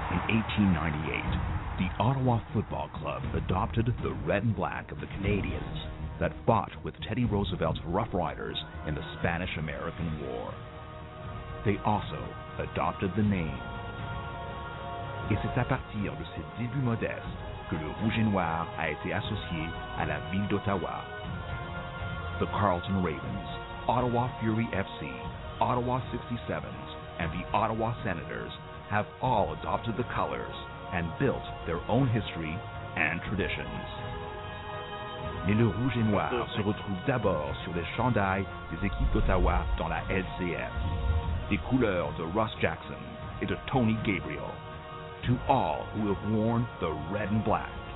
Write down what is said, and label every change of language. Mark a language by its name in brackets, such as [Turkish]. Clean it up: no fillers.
[English] In 1898, the Ottawa Football Club adopted the red and black of the Canadians that fought with Teddy Roosevelt's Rough Riders in the Spanish-American War. They also adopted the name. [French] Et c'est à partir de ces débuts modestes que le rouge et noir a été associé à la ville d'Ottawa. [English] The Carleton Ravens, Ottawa Fury FC, Ottawa 67s, and the Ottawa Senators have all adopted the colors and built their own history and traditions. [French] Mais le rouge et noir se retrouve d'abord sur les chandails des équipes d'Ottawa dans la LCF. Les couleurs de Russ Jackson et de Tony Gabriel. [English] To all who have worn the red and black.